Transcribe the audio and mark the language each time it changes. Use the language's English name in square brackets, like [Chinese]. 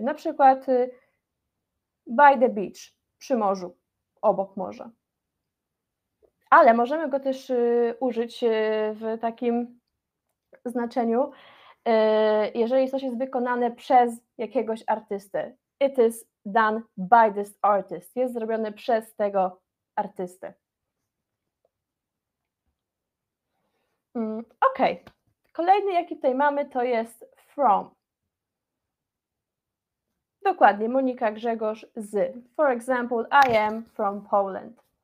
[Polish] Na przykład [English] by the beach, [Polish] przy morzu, obok morza. Ale możemy go też użyć w takim znaczeniu, jeżeli coś jest wykonane przez jakiegoś artystę. [English] It is done by this artist. [Polish] Jest zrobione przez tego artystę. Ok. Kolejny, jaki tutaj mamy, to jest from. Dokładnie, Monika Grzegorz z. [English] For example, I am from Poland.